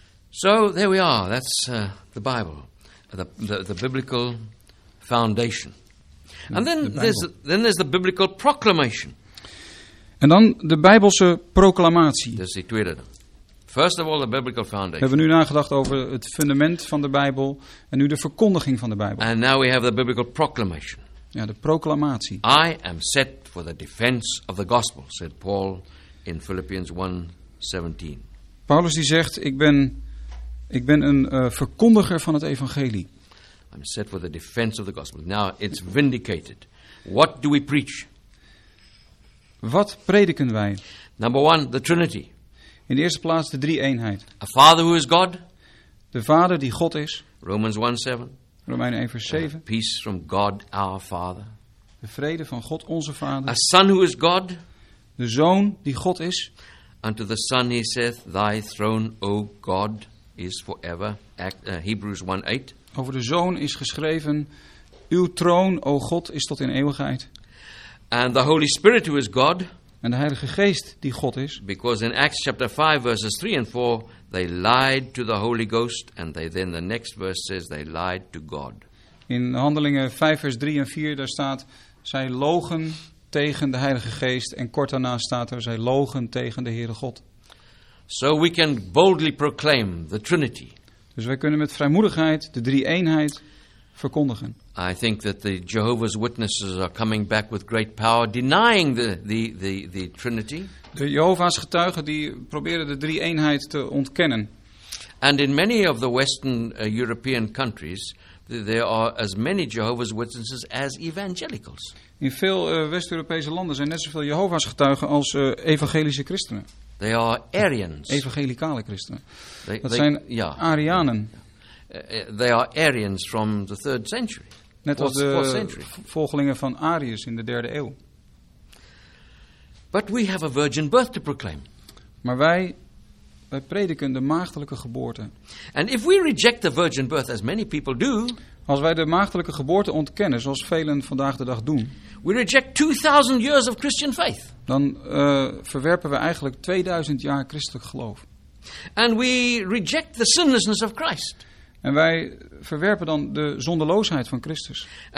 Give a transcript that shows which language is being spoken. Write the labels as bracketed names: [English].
[English] So there we are. That's the Bible, the biblical foundation. And then there's the biblical proclamation. [Dutch] En dan de Bijbelse proclamatie. Dus die tweede. [English] First of all, the biblical foundation. [Dutch] We hebben nu nagedacht over het fundament van de Bijbel en nu de verkondiging van de Bijbel. [English] And now we have the biblical proclamation. [Dutch] Ja, de proclamatie. [English] I am set for the defense of the gospel, said Paul in Philippians 1:17. [Dutch] Paulus die zegt: ik ben een verkondiger van het evangelie. [English] I'm set for the defense of the gospel. Now it's vindicated. What do we preach? [Dutch] Wat prediken wij? [English] Number one, the Trinity. [Dutch] In de eerste plaats de drie eenheid. [English] A Father who is God. [Dutch] De Vader die God is. [English] Romans 1:7. [Dutch] Romeinen 1 vers 7. [English] Peace from God our Father. [Dutch] De vrede van God onze Vader. [English] A Son who is God. [Dutch] De Zoon die God is. [English] Unto the Son he saith, thy throne, O God, is forever. Hebrews 1:8. [Dutch] Over de Zoon is geschreven, uw troon, O God, is tot in eeuwigheid. [English] And the Holy Spirit who is God. [Dutch] En de Heilige Geest die God is. [English] Because in Acts chapter 5 verses 3 and 4. They lied to the Holy Ghost and they then the next verse says they lied to God. [Dutch] In Handelingen 5 vers 3 en 4 daar staat zij logen tegen de Heilige Geest en kort daarna staat er zij logen tegen de Heere God. [English] So we can boldly proclaim the Trinity. [Dutch] Dus wij kunnen met vrijmoedigheid de drie eenheid verkondigen. [English] I think that the Jehovah's Witnesses are coming back with great power denying the Trinity. [Dutch] De Jehova's getuigen die proberen de drie eenheid te ontkennen. [English] And in many of the Western European countries, there are as many Jehovah's Witnesses as evangelicals. [Dutch] In veel West-Europese landen zijn net zoveel Jehova's getuigen als evangelische christenen. [English] They are Arians. [Dutch] Evangelikale christenen. Dat zijn Arianen. [English] They are Arians from the 3rd century. [Dutch] Net als de volgelingen van Arius in de derde eeuw. [English] But we have a virgin birth to proclaim. [Dutch] Maar wij prediken de maagdelijke geboorte. [English] And if we reject the virgin birth as many people do, [Dutch] als wij de maagdelijke geboorte ontkennen, zoals velen vandaag de dag doen, [English] we reject 2000 years of Christian faith. [Dutch] Dan verwerpen we eigenlijk 2000 jaar christelijk geloof. [English] And we reject the sinlessness of Christ. [Dutch] En wij verwerpen dan de zondeloosheid van Christus.